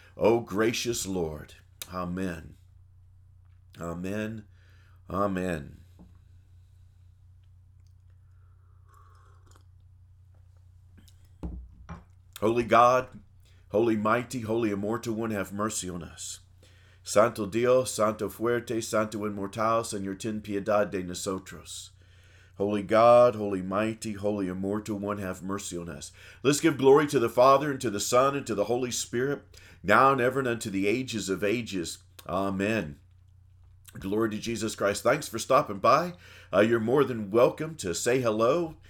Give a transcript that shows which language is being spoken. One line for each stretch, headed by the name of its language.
English: O gracious Lord, amen. Amen. Amen. Holy God, holy mighty, holy immortal one, have mercy on us.
Spanish: Santo Dios, Santo Fuerte, Santo Inmortal, Señor, ten piedad de nosotros.
English: Holy God, holy mighty, holy immortal one, have mercy on us. Let's give glory to the Father, and to the Son, and to the Holy Spirit, now and ever and unto the ages of ages. Amen. Glory to Jesus Christ. Thanks for stopping by. You're more than welcome to say hello.